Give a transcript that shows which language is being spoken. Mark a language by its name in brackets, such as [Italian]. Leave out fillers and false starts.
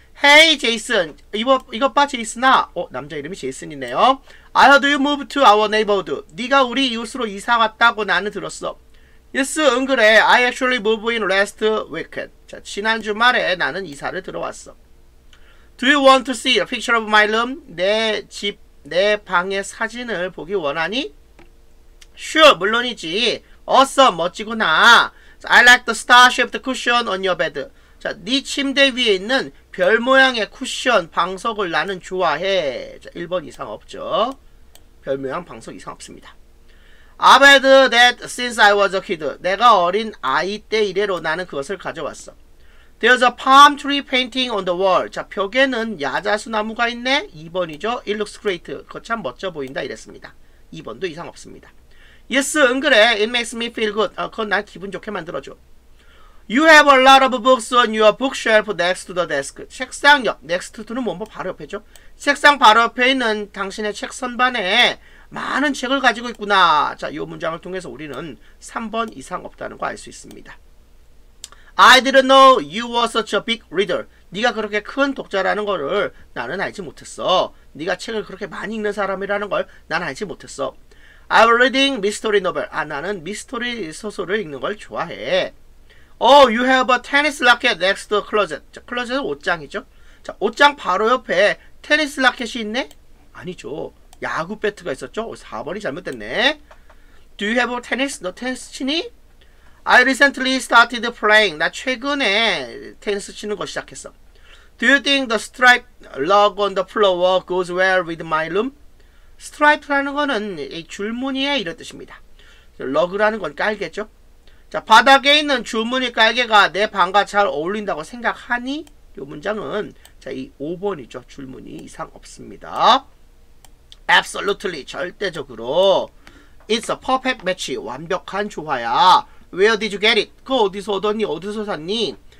[Korean] 헤이 제이슨, 이거 봐 제이슨아. 남자 이름이 제이슨이네요. [English] I heard you move to our neighborhood. [Korean] 네가 우리 이웃으로 이사 왔다고 나는 들었어. [English] Yes, [Korean] 응 그래. [English] I actually moved in last weekend. [Korean] 자, 지난 주말에 나는 이사를 들어왔어. [English] Do you want to see a picture of my room? [Korean] 내 집, 내 방의 사진을 보기 원하니? [English] Sure, 물론이지. Awesome, 멋지구나. I like the star-shaped cushion on your bed. [Korean] 자, 네 침대 위에 있는 별 모양의 쿠션, 방석을 나는 좋아해. 자, 1번 이상 없죠. 별 모양, 방석 이상 없습니다. [English] I've had that since I was a kid. [Korean] 내가 어린 아이 때 이래로 나는 그것을 가져왔어. [English] There's a palm tree painting on the wall. [Korean] 자, 벽에는 야자수나무가 있네. [English] 2번이죠. It looks great. [Korean] 그거 참 멋져 보인다 이랬습니다. 2번도 이상 없습니다. [English] Yes, [Korean] 응 그래. [English] It makes me feel good. [Korean] 그건 날 기분 좋게 만들어줘. [English] You have a lot of books on your bookshelf next to the desk. [Korean] 책상 옆, next to는 뭐 바로 옆에죠? 책상 바로 옆에 있는 당신의 책 선반에 많은 책을 가지고 있구나. 자, 이 문장을 통해서 우리는 3번 이상 없다는 거 알 수 있습니다. [English] I didn't know you were such a big reader. [Korean] 네가 그렇게 큰 독자라는 거를 나는 알지 못했어. 네가 책을 그렇게 많이 읽는 사람이라는 걸 난 알지 못했어. [English] I'm reading mystery novel. [Korean] 아, 나는 미스터리 소설을 읽는 걸 좋아해. [English] Oh, you have a tennis racket next to the closet. [Korean] 자, 클로젯은 옷장이죠. 자, 옷장 바로 옆에 테니스 라켓이 있네? 아니죠. 야구 배트가 있었죠? 4번이 잘못됐네. [English] Do you have a tennis? [Korean] 너 테니스 치니? [English] I recently started playing. [Korean] 나 최근에 테니스 치는 거 시작했어. [English] Do you think the striped rug on the floor goes well with my room? [Korean] 스트라이프라는 거는 줄무늬에 이런 뜻입니다. 러그라는 건 깔개죠. 자, 바닥에 있는 줄무늬 깔개가 내 방과 잘 어울린다고 생각하니? 이 문장은 자, 이 5번이죠. 줄무늬 이상 없습니다. [English] Absolutely, 절대적으로. It's a perfect match, [Korean] 완벽한 조화야. [English] Where did you get it? [Korean] 그거 어디서 얻었니? 어디서 샀니?